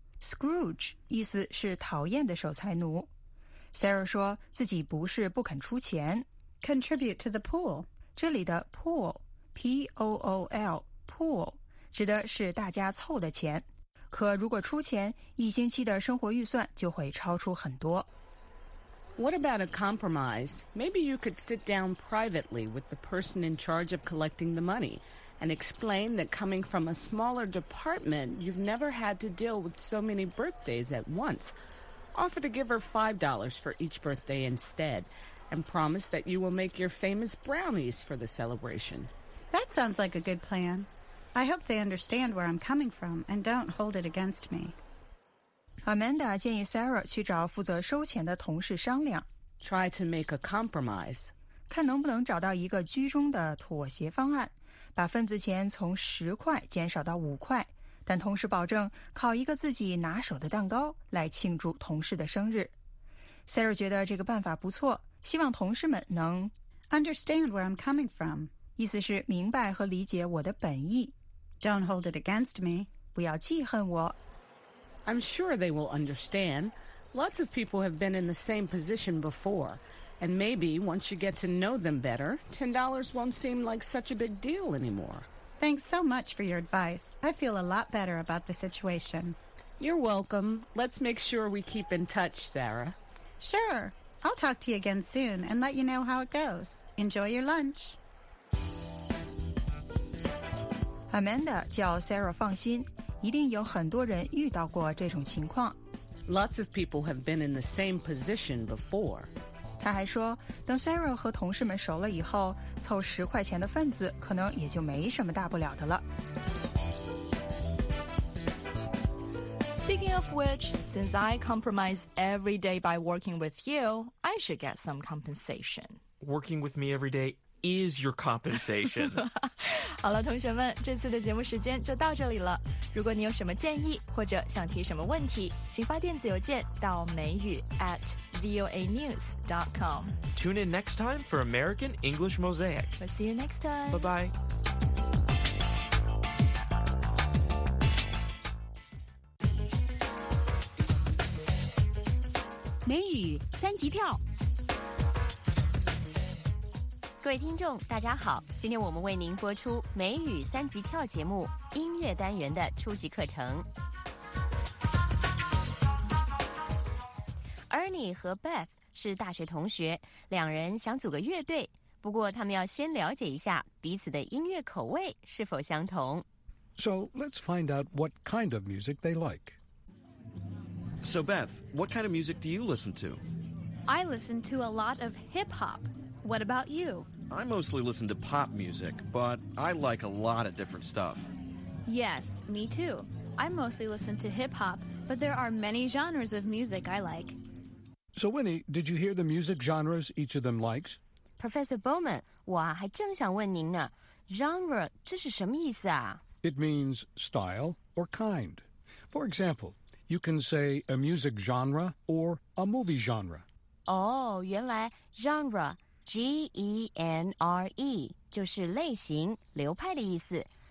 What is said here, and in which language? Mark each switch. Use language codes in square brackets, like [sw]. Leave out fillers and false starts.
[zh] Scrooge 意思是讨厌的守财奴。Sarah 说自己不是不肯出钱。 [en] Contribute to the pool. [zh] 这里的 pool, P-O-O-L, pool, 指的是大家凑的钱。可如果出钱，一星期的生活预算就会超出很多。 [en] What about a compromise? Maybe you could sit down privately with the person in charge of collecting the money and explain that coming from a smaller department, you've never had to deal with so many birthdays at once. Offer to give her $5 for each birthday instead and promise that you will make your famous brownies for the celebration. That sounds like a good plan. I hope they understand where I'm coming from and don't hold it against me. [zh] Amanda 建议 Sarah 去找负责收钱的同事商量。 [en] Try to make a compromise. [zh] 看能不能找到一个居中的妥协方案，把份子钱从10块减少到5块，但同时保证烤一个自己拿手的蛋糕来庆祝同事的生日。 Sarah 觉得这个办法不错，希望同事们能 [en] Understand where I'm coming from. [zh] 意思是明白和理解我的本意。 [en] Don't hold it against me. [zh] 不要记恨我。 [en] I'm sure they will understand. Lots of people have been in the same position before. And maybe once you get to know them better, $10 won't seem like such a big deal anymore. Thanks so much for your advice. I feel a lot better about the situation. You're welcome. Let's make sure we keep in touch, Sarah. Sure. I'll talk to you again soon and let you know how it goes. Enjoy your lunch. [zh] Amanda 叫 Sarah 放心。一定有很多人遇到过这种情况。 [en] Lots of people have been in the same position before. [zh] 他还说，等 Sarah 和同事们熟了以后，凑10块钱的份子可能也就没什么大不了的了。 [en] Speaking of which, since I compromise every day by working with you, I should get some compensation. Working with me every day is your compensation. [zh] 好了，同学们，这次的节目时间就到这里了。如果你有什么建议或者想提什么问题，请发电子邮件到美语 @voanews.com. [en] Tune in next time for American English Mosaic. We'll see you next time. Bye-bye. [zh] 美语三级跳。各位听众大家好，今天我们为您播出美语三级跳节目音乐单元的初级课程。 Ernie 和 Beth 是大学同学，两人想组个乐队，不过他们要先了解一下彼此的音乐口味是否相同。 [en] So let's find out what kind of music they like. So Beth, what kind of music do you listen to? I listen to a lot of hip-hop. What about you? I mostly listen to pop music, but I like a lot of different stuff. Yes, me too. I mostly listen to hip-hop, but there are many genres of music I like. So Winnie, did you hear the music genres each of them likes? [zh] Professor Bowman, 我还正想问您呢。Genre, 这是什么意思啊? [en] It means style or kind. For example, you can say a music genre or a movie genre. [zh] Oh, 原来 genre, G-E-N-R-E, 就是类型、流派的意思。